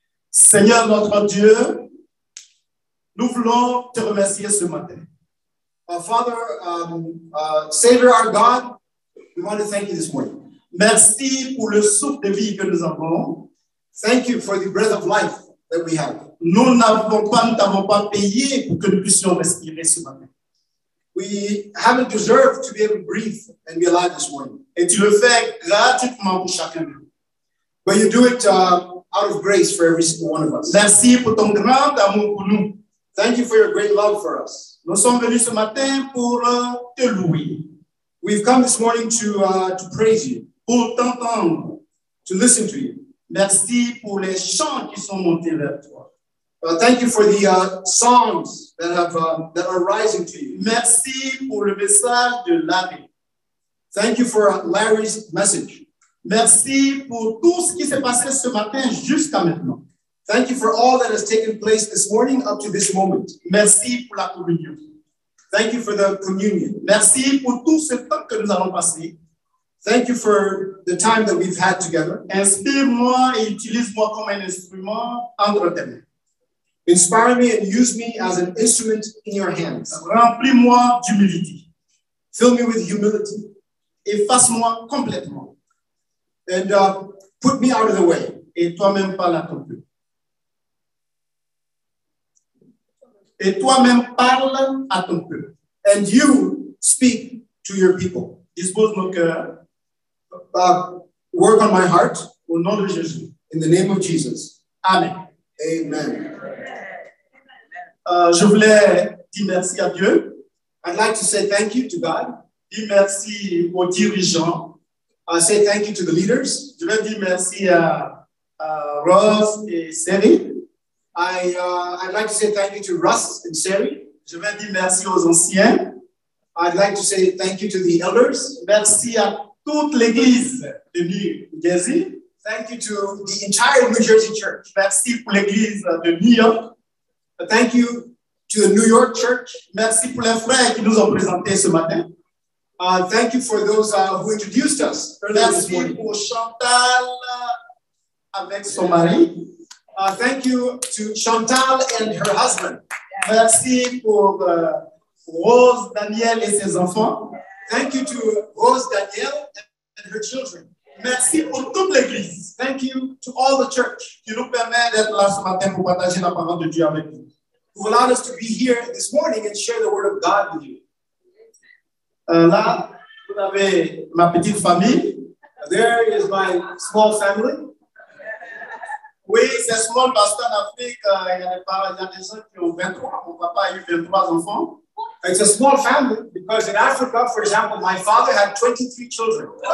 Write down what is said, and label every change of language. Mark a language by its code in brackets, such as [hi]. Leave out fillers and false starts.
[fr] Seigneur notre Dieu, nous voulons te remercier ce matin. [en] Father, Savior our God, we want to thank you this morning. [fr] Merci pour le souffle de vie que nous avons. [en] Thank you for the breath of life that we have. [fr] Nous n'avons pas, nous n'avons pas payé pour que nous puissions respirer ce matin. [en] We haven't deserved to be able to breathe and be alive this morning. [fr] Et tu le fais gratuitement pour chacun. [en] But you do it out of grace for every single one of us. [fr] Merci pour ton grand amour pour nous. [en] Thank you for your great love for us. [fr] Nous sommes venus ce matin pour te louer. [en] We've come this morning to praise you. [fr] Pour t'entendre. [en] To listen to you. [fr] Merci pour les chants qui sont montés vers toi. [en] Thank you for the songs that are rising to you. [fr] Merci pour le message de Larry. [en] Thank you for Larry's message. [fr] Merci pour tout ce qui s'est passé ce matin jusqu'à maintenant. [en] Thank you for all that has taken place this morning up to this moment. [fr] Merci pour la communion. [en] Thank you for the communion. [fr] Merci pour tout ce temps que nous avons passé. [en] Thank you for the time that we've had together. [fr] Inspire-moi et utilise-moi comme un instrument entre tes mains. [en] Inspire me and use me as an instrument in your hands. [fr] Remplis-moi d'humilité. [en] Fill me with humility. [fr] Efface-moi complètement. [en] And put me out of the way. [fr] Et toi-même parle à ton peuple. Et toi-même parle à ton peuple. [en] And you speak to your people. [fr] Dispose mon cœur. [en] Work on my heart. [fr] Au nom de Jésus. [en] In the name of Jesus. [fr] Amen. [en] Amen. [fr] Je voulais dire merci à Dieu. [en] I'd like to say thank you to God. [fr] Dire merci aux dirigeants. [en] I say thank you to the leaders. [fr] Je veux dire merci à Ross et Seri. [en] I'd like to say thank you to Russ and Seri. [fr] Je veux dire merci aux anciens. [en] I'd like to say thank you to the elders. [fr] Merci à toute l'église de New Jersey. [en] Thank you to the entire New Jersey church. [fr] Merci pour l'église de New York. [en] Thank you to the New York church. [fr] Merci pour les frères qui nous ont présenté ce matin. [en] Thank you for those who introduced us. [fr] Merci pour Chantal avec son mari. [en] Thank you to Chantal and her husband. [fr] Yeah. Merci pour Rose, Daniel et ses enfants. [en] Thank you to Rose, Daniel and her children. [fr] Merci pour toute l'église. [en] Thank you to all the church. [fr] Qui nous permet d'être là ce matin pour partager la parole de Dieu avec vous. [en] Who allowed us to be here this morning and share the word of God with you. [fr] Là, vous avez ma petite famille. [en] There is my small family. [fr] Oui, c'est small parce qu'en Afrique, il y a des gens qui ont 23. Mon papa a eu 23 enfants. [en] It's a small family because in Africa, for example, my father had 23 children.